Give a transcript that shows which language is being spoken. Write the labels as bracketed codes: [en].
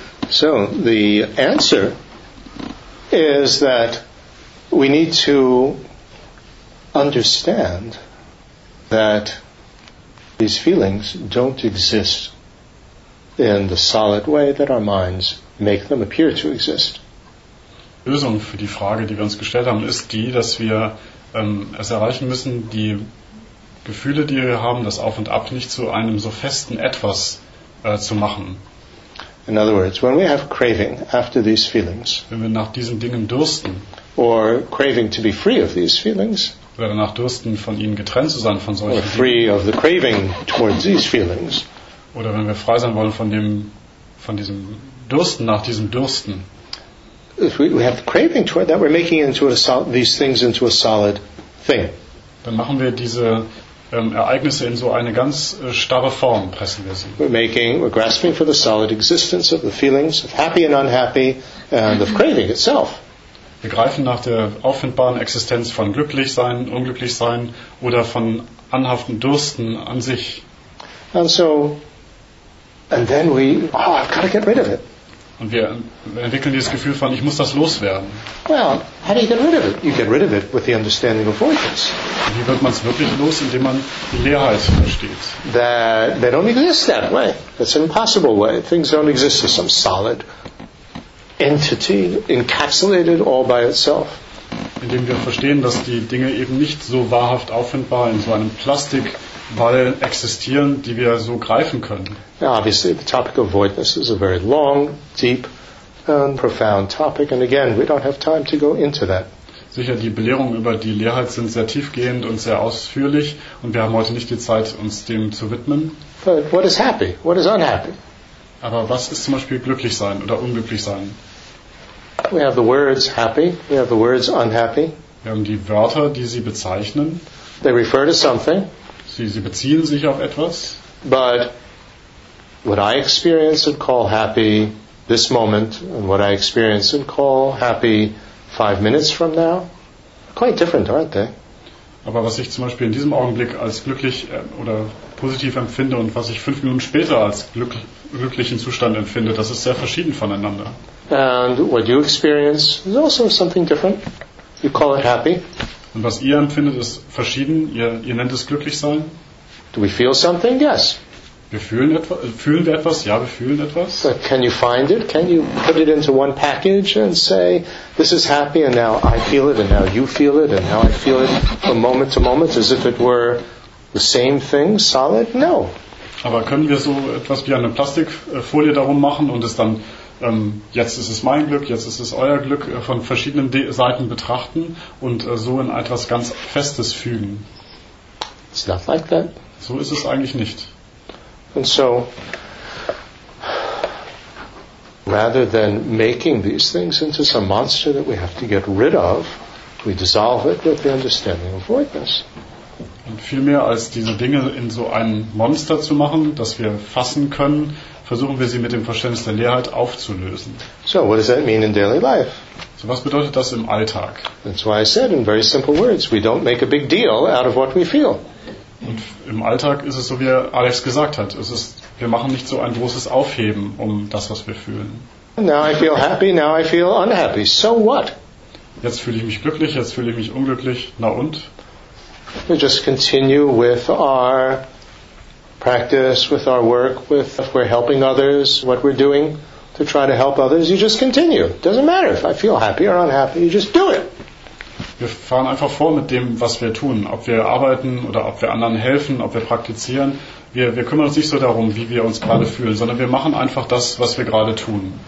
[en] So the answer is that we need to understand that these feelings don't exist in the solid way that our minds make them appear to exist. [de] Die Lösung für die Frage, die wir uns gestellt haben, ist die, dass wir es erreichen müssen, die Gefühle, die wir haben, das Auf und Ab, nicht zu einem so festen Etwas zu machen. [en] In other words, when we have craving after these feelings, [de] wenn wir nach diesen Dingen dürsten, [en] or craving to be free of these feelings, [de] oder nach Dürsten von ihnen getrennt zu sein von solchen, [en] or free of the craving towards these feelings, [de] oder wenn wir frei sein wollen von dem, von diesem Dürsten nach diesem Dürsten, [en] we have the craving toward that, we're making it into a these things into a solid thing. [de] Dann machen wir diese Ereignisse in so eine ganz starre Form, pressen wir sie. [en] We're grasping for the solid existence of the feelings of happy and unhappy and of craving itself. [de] Wir greifen nach der auffindbaren Existenz von glücklich sein, unglücklich sein oder von anhaften Dürsten an sich. [en] And so, and then we, oh, I've got to get rid of it. [de] Und wir entwickeln dieses Gefühl von, ich muss das loswerden. [en] Well, how do you get rid of it? You get rid of it with the understanding of avoidance. Und wie wird man es wirklich los, indem man die Leerheit versteht? They don't exist that way. That's an impossible way. Things don't exist as some solid entity encapsulated all by itself. [de] Indem wir verstehen, dass die Dinge eben nicht so wahrhaft auffindbar in so einem Plastikball existieren, die wir so greifen können. [en] Now obviously, the topic of voidness is a very long, deep and profound topic, and again, we don't have time to go into that. [de] Sicher, die Belehrungen über die Leerheit sind sehr tiefgehend und sehr ausführlich, und wir haben heute nicht die Zeit, uns dem zu widmen. [en] But what is happy? What is unhappy? [de] Aber was ist zum Beispiel glücklich sein oder unglücklich sein? [en] We have the words happy, we have the words unhappy. [de] Wir haben die Wörter, die sie bezeichnen. [en] They refer to something. [de] Sie beziehen sich auf etwas. [en] But what I experience and call happy this moment and what I experience and call happy 5 minutes from now are quite different, aren't they? [de] Aber was ich zum Beispiel in diesem Augenblick als glücklich oder positiv empfinde und was ich 5 Minuten später als glücklichen Zustand empfinde, das ist sehr verschieden voneinander. [en] And what you experience is also something different. You call it happy. [de] Und was ihr empfindet, ist verschieden. Ihr nennt es glücklich sein. [en] Do we feel something? Yes. [de] Wir fühlen wir etwas? Ja, wir fühlen etwas. [en] But can you find it? Can you put it into one package and say, this is happy and now I feel it and now you feel it and now I feel it from moment to moment as if it were the same thing, solid? No. [de] Aber können wir so etwas wie eine Plastikfolie darum machen und es dann, jetzt ist es mein Glück, jetzt ist es euer Glück, von verschiedenen Seiten betrachten und so in etwas ganz Festes fügen? [en] It's not like that. [de] So ist es eigentlich nicht. [en] And so, rather than making these things into some monster that we have to get rid of, we dissolve it with the understanding of voidness. [de] Und vielmehr als diese Dinge in so ein Monster zu machen, das wir fassen können, versuchen wir sie mit dem Verständnis der Leerheit aufzulösen. [en] So, what does that mean in daily life? [de] So, was bedeutet das im Alltag? [en] That's why I said in very simple words, we don't make a big deal out of what we feel. [de] Und im Alltag ist es so, wie Alex gesagt hat, es ist, wir machen nicht so ein großes Aufheben um das, was wir fühlen. [en] Now I feel happy, now I feel unhappy. So what? [de] Jetzt fühle ich mich glücklich, jetzt fühle ich mich unglücklich. Na und? [en] We just continue with our practice, with our work, with if we're helping others, what we're doing to try to help others. You just continue. Doesn't matter if I feel happy or unhappy. You just do it. [de] Wir fahren einfach vor mit dem, was wir tun. Ob wir arbeiten oder ob wir anderen helfen, ob wir praktizieren. Wir kümmern uns nicht so darum, wie wir uns gerade fühlen, sondern wir machen einfach das, was wir gerade tun.